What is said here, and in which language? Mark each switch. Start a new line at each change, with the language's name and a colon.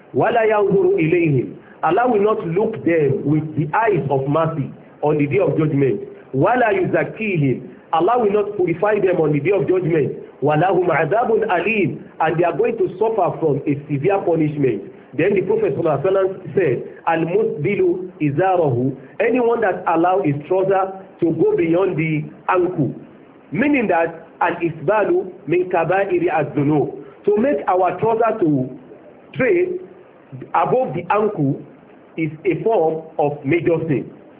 Arabic: ولا ينظر إليهم.
English: Allah will not look them with the eyes of mercy on the day of judgment.
Arabic: ولا يزكيهم.
English: Allah will not purify them on the day of judgment.
Arabic: ولهم عذاب أليم.
English: And they are going to suffer from a severe punishment. Then the Prophet صلى الله عليه وسلم said,
Arabic: المسبل إزاره.
English: Anyone that allow his trouser to go beyond the ankle, meaning that
Arabic: Al-Isbalu min kabairi az-zunub.
English: To make our trouser to trade above the ankle is a form of major sin.